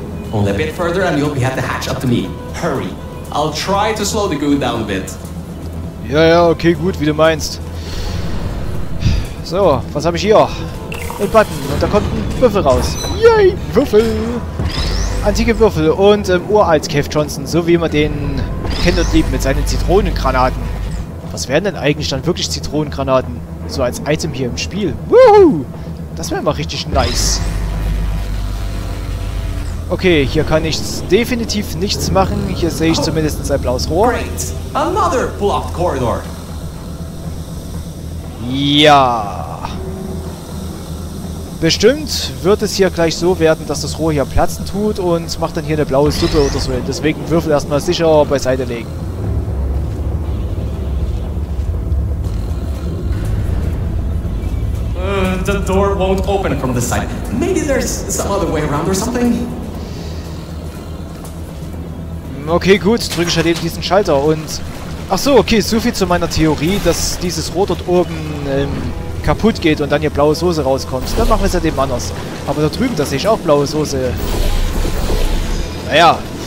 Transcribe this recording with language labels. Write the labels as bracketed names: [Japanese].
[English] Only a bit further and you'll be at the hatch up to me. Hurry. I'll try to slow the goo down a bit. [German] Ja, ja, okay, gut, wie du meinst. So, was habe ich hier? Ein Button und da kommt ein Würfel raus. Yay, Würfel! Antike Würfel und uralt Kev Johnson, so wie man den kennt und liebt mit seinen Zitronengranaten. Was wären denn eigentlich dann wirklich Zitronengranaten? So als Item hier im Spiel. Woohoo! Das wäre mal richtig nice. Okay, hier kann ich definitiv nichts machen. Hier sehe ich zumindest ein blaues Rohr. [English] Great. Another blocked corridor. [German] Ja. Bestimmt wird es hier gleich so werden, dass das Rohr hier platzen tut und macht dann hier eine blaue Suppe oder so. Deswegen Würfel erstmal sicher beiseite legen. [English] The door won't open from this side. Maybe there's some other way around or something. [German] Okay, gut. Drücke ich halt eben diesen Schalter und... Ach so, okay. So viel zu meiner Theorie, dass dieses Rohr dort oben kaputt geht und dann hier blaue Soße rauskommt. Dann machen wir es halt eben anders. Aber da drüben, da sehe ich auch blaue Soße. Naja.